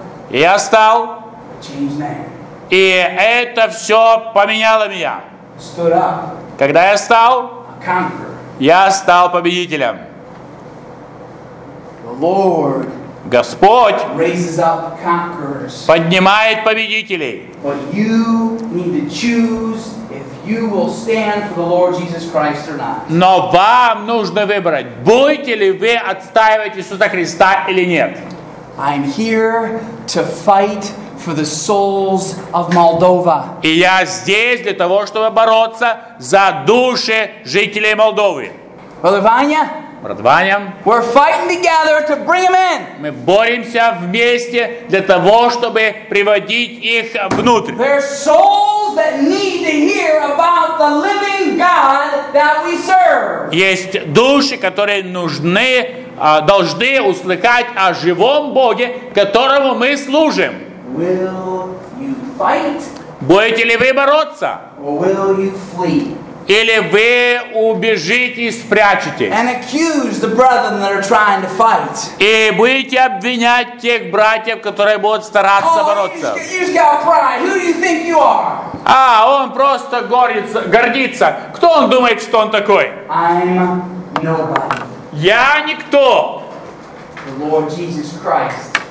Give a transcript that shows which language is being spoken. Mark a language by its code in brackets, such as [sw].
[ru] Я встал. И это все поменяло меня. Когда я встал, я стал победителем. [en] The Lord [ru] Господь [en] raises up conquerors. [ru] Поднимает победителей. [en] But you need to choose if you will stand for the Lord Jesus Christ or not. [ru] Но вам нужно выбрать, будете ли вы отстаивать Иисуса Христа или нет. [en] I'm here to fight for the souls of Moldova. [ru] И я здесь для того, чтобы бороться за души жителей Молдовы. Брат Ваня, [en] we're fighting together to bring them in. [ru] Мы боремся вместе для того, чтобы приводить их внутрь. [en] There's souls that need to hear about the living God that we serve. [ru] Есть души, которые нужны, должны услыхать о живом Боге, которому мы служим. [en] Will you fight? [ru] Будете ли вы бороться? [en] Or will you flee? [ru] Или вы убежите и спрячетесь? [en] And accuse the brethren that are trying to fight. [ru] И будете обвинять тех братьев, которые будут стараться бороться? [en] Oh, you just got pride. Who do you think you are? [ru] А, он просто гордится. Кто он думает, что он такой? [en] I'm nobody. [ru] Я никто. [en] The Lord Jesus Christ.